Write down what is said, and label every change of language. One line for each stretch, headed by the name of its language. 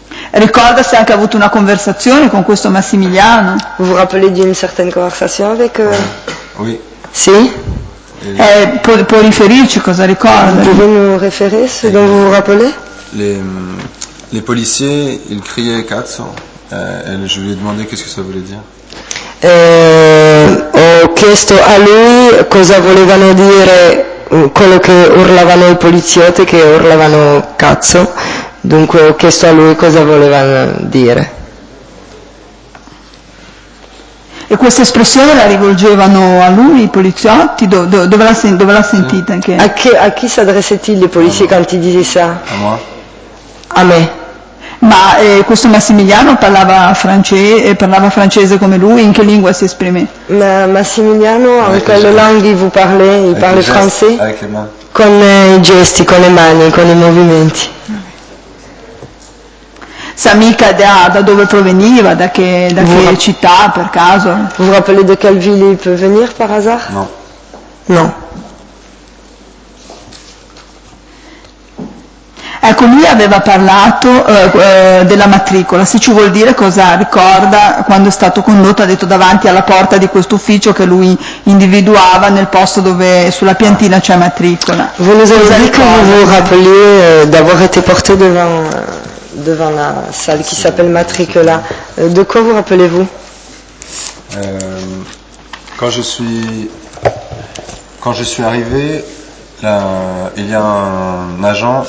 Italian: Ricorda se anche ha avuto una conversazione con questo Massimiliano?
French: Vous vous rappelez d'une certaine conversation avec Oui.
Italian: Sì? Può riferirci cosa ricorda?
French: Pouvez nous référer ce dont vous vous rappelez? Les policiers, ils criaient cazzo. Je lui ai demandé qu'est-ce que ça voulait dire.
Italian: Ho chiesto a lui cosa volevano dire quello che urlavano i poliziotti, che urlavano cazzo, dunque ho chiesto a lui cosa volevano dire. E questa espressione la rivolgevano a lui i poliziotti? Dove l'ha sentita? Sì. A chi
French: si adressait-il le policier quand il disait ça? A moi.
Italian: A me. Ma questo Massimiliano parlava francese come lui, in che lingua si esprime? Ma Massimiliano, in quelle langue vous parlez, il parla francese? Con i gesti, con le mani, con i movimenti. Sa mica da dove proveniva, da che città per caso?
French: Vous vous rappelez de quelle ville il peut venir par hasard?
Italian: No. No. Ecco, lui aveva parlato della matricola, se ci vuol dire cosa ricorda quando è stato condotto, ha detto, davanti alla porta di questo ufficio che lui individuava nel posto dove sulla piantina c'è matricola.
French: Vous nous avez dit que vous vous rappelez d'avoir été porté devant la salle qui s'appelle matricola. De quoi vous rappelez-vous? Quand je suis arrivé, il y a un agent.